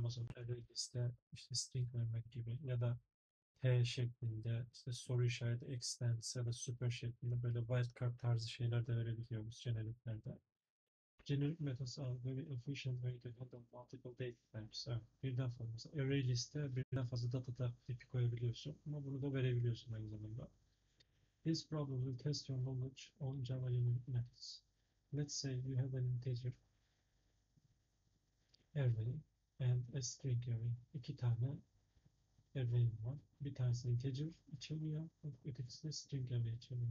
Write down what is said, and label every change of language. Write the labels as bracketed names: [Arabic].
[Turkish] Ama sonra ArrayList'e işte string vermek gibi ya da T şeklinde işte soru işareti extends ya da super şeklinde böyle wildcard tarzı şeyler de verebiliyoruz jeneriklerde. [English] Generic methods are very efficient way to handle multiple data types. [Turkish] Evet, birden fazla mesela ArrayList'e birden fazla data tipi koyabiliyorsun ama bunu da verebiliyorsun aynı zamanda. [English] This problem will test your knowledge on Java generic methods. Let's say you have an integer array and a string array. [Turkish] İki tane array var. Bir tanesi integer içeriyor, ötekisi de string array içeriyor.